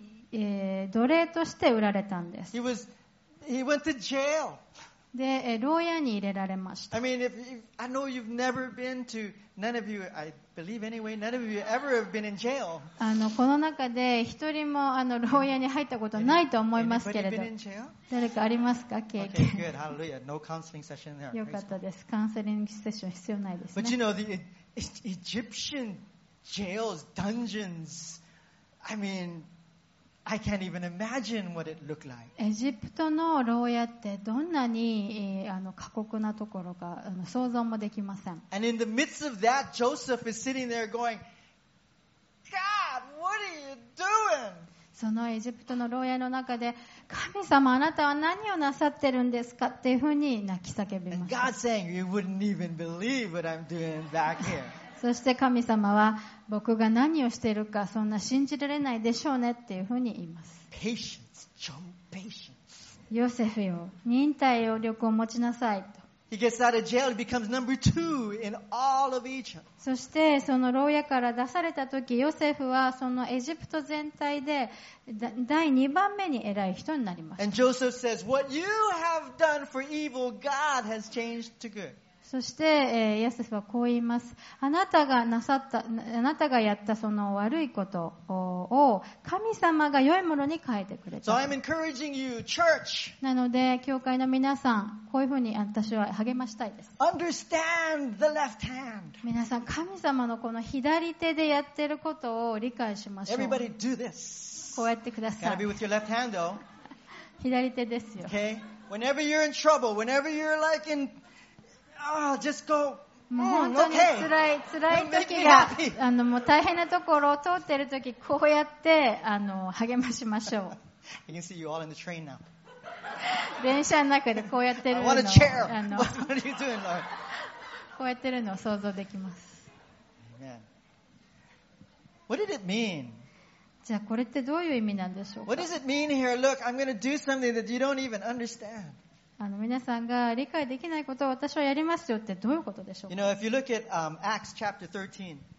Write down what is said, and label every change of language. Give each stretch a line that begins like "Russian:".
Japanese: 奴隷として売られたんです。
English: He went to jail.
Japanese: で、牢屋に入れられました。
English: I mean, I know you've never been to, none of you, I believe anyway, none of you ever have been in jail.
Japanese: この中で一人も牢屋に入ったことないと思いますけれど。
English: Anybody been in jail?
Japanese: 誰かありますか、経験。
English: Okay, good, hallelujah. No counseling session there.
Japanese: よかったです。カウンセリングセッション必要ないですね。
English: But you know, the Egyptian jails, dungeons, I mean,I can't even imagine what it looked like.
Japanese: エジプトの牢屋ってどんなに過酷なところか想像もできません。
English: And in the midst of that, Joseph is sitting there going, God, what are you doing?
Japanese: そのエジプトの牢屋の中で、神様あなたは何をなさってるんですかっていうふうに泣き叫びました。
English: And God saying, you wouldn't even believe what I'm doing back here.
Japanese: そして神様は僕が何をしているかそんな信じられないでしょうねっていうふうに言います。
English: Patience, John, patience.
Japanese: ヨセフよ、忍耐力を持ちなさいと。
English: He gets out of jail, he becomes number two in all of Egypt.
Japanese: そしてその牢屋から出された時、ヨセフはそのエジプト全体で第二番目に偉い人になります。
English: And Joseph says, "What you have done for evil, God has changed to good."
Japanese: そしてヨセフはこう言います。あなたがやったその悪いことを神様が良いものに変えてくれた。
English: So I'm encouraging you, church.
Japanese: なので教会の皆さん、こういうふうに私は励ましたいです。
English: Understand the left hand.
Japanese: 皆さん、神様のこの左手でやってることを理解しましょう。
English: Everybody do this.
Japanese: こうやってください。
English: Can I be with your left hand, though?
Japanese: 左手ですよ。
English: Okay. Whenever you're in trouble, whenever you're like in just go.
Japanese: 本当に辛い時が、もう大変なところを通っている時、こうやって励ましましょう。
English: I can see you all in the train now.
Japanese: 電車の中でこうやってるの。
English: I want a chair. What are you doing, Lord?
Japanese: こうやってるのを想像できます。
English: Amen. What did it mean?
Japanese: じゃあこれってどういう意味なんでしょうか。
English: What does it mean here? Look, I'm going to do something that you don't even understand.
Japanese: 皆さんが理解できないことを私はやりますよってどういうことでしょうか。
English: You know, if you look at Acts chapter 13,